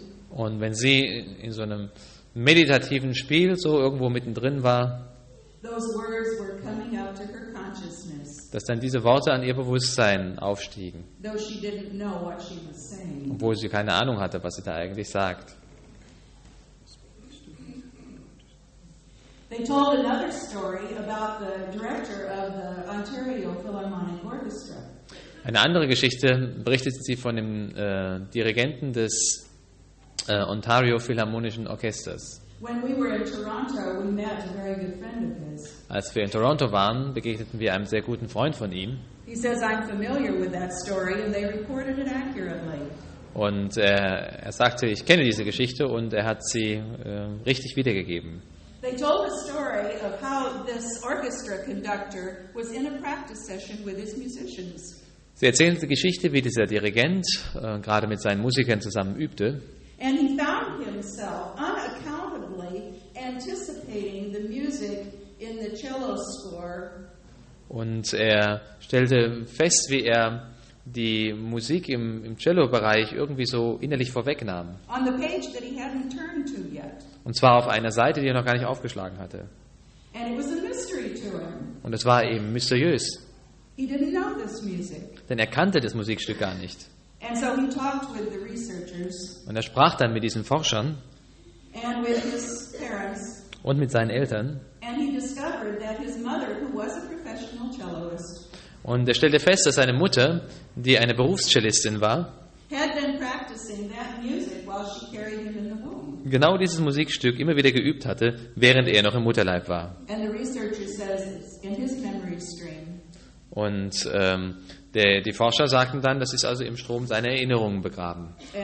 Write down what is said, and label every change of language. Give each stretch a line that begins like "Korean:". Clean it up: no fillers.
German: Und wenn sie in so einem meditativen Spiel so irgendwo mittendrin war, dass dann diese Worte an ihr Bewusstsein aufstiegen. Obwohl sie keine Ahnung hatte, was sie da eigentlich sagt.
English: They told another story about the director of the Ontario Philharmonic Orchestra.
German: Eine andere Geschichte berichtet sie von dem Dirigenten des Ontario Philharmonischen Orchesters.
English: When we were in Toronto, we met a very good friend of his.
German: Als wir in Toronto waren, begegneten wir einem sehr guten Freund von ihm.
English: He says, I'm familiar with that story and they recorded it accurately.
German: Und er sagte, ich kenne diese Geschichte und er hat sie richtig wiedergegeben.
English: They told a story of how this orchestra conductor was in a practice session with his musicians.
German: Sie erzählen die Geschichte, wie dieser Dirigent gerade mit seinen Musikern zusammen übte.
English: And he found himself unaccountably anticipating the music in the cello score.
German: Und er stellte fest, wie er die Musik im Cello-Bereich irgendwie so innerlich vorwegnahm.
English: On the page that he hadn't turned to yet.
German: Und zwar auf einer Seite, die er noch gar nicht aufgeschlagen hatte.
English: And it was a mystery to him.
German: Und es war eben mysteriös.
English: He didn't know this music.
German: Denn er kannte das Musikstück gar nicht.
English: And so he talked with the researchers.
German: Und er sprach dann mit diesen Forschern.
English: And with his parents.
German: Und mit seinen Eltern.
English: And he discovered that his mother, who was a professional cellist.
German: Und er stellte fest, dass seine Mutter, die eine Berufscellistin war,
English: had been practicing that music while she carried him in the womb.
German: Genau dieses Musikstück immer wieder geübt hatte, während er noch im Mutterleib war.
English: And the researcher says it's in his memory stream.
German: Und die Forscher sagten dann, das ist also im Strom seiner Erinnerungen begraben.